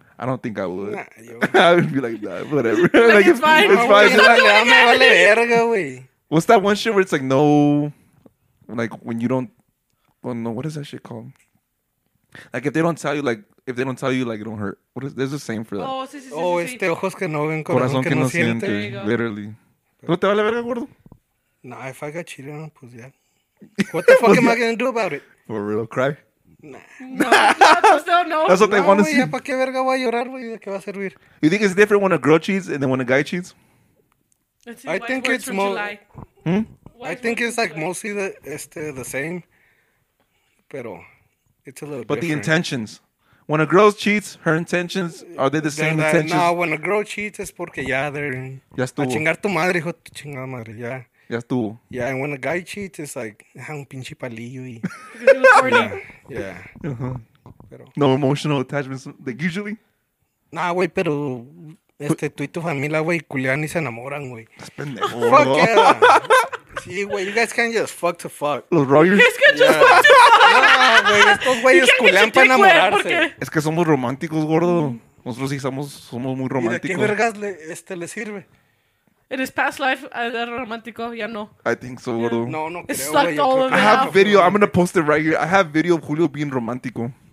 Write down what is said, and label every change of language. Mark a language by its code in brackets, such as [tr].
[en] I don't think I would. Nah, I would be like, nah, whatever. Like it's fine. [es] Vale verga, güey. [en] What's that one shit where it's like, no, like when you don't, well, no, what is that shit called? Like if they don't tell you, it don't hurt. What is? There's a saying for that. [es] Oh, sí. Este ojos que no ven, corazón que no siente. Literally. ¿No te vale verga, gordo? [en] Nah, if I got cheated on, [es] pues ya. [en] What the fuck am I going to do about it? For real, cry? No, that's what they want to see. [es] ¿Para qué verga voy a llorar, güey? ¿De qué va a servir? [en] You think it's different when a girl cheats and then when a guy cheats? I think it's more. I think it's like mostly the same, pero it's a little. But The intentions. When a girl cheats, her intentions are they the same intentions? No, when a girl cheats, it's [es] porque ya [en] they're. [es] Ya estuvo. A chingar tu madre, hijo, tu chingada madre, ya. Ya estuvo. [en] Yeah, and when a guy cheats, it's like, [es] ha un pinche palillo y... [en] Yeah. Uh-huh. No emotional attachments, like, usually? [es] Nah, güey, pero... tú y tu familia, güey, culian y se enamoran, güey. Es pendejo. [en] Fuck yeah. [es] Sí, güey, [en] you guys can't just fuck to fuck. [es] Los Rogers. [en] You guys can't just fuck to fuck. [es] Nah, güey, estos güeyes culian para enamorarse. Es que somos románticos, gordo. Nosotros sí somos muy románticos. ¿Y de qué vergas le sirve? [en] In his past life, [es] era romántico, ya no. [en] I think so, gordo. [es] No, no creo. [en] It sucked all of it. I have video. I'm going to post it right here. I have video of Julio being romántico.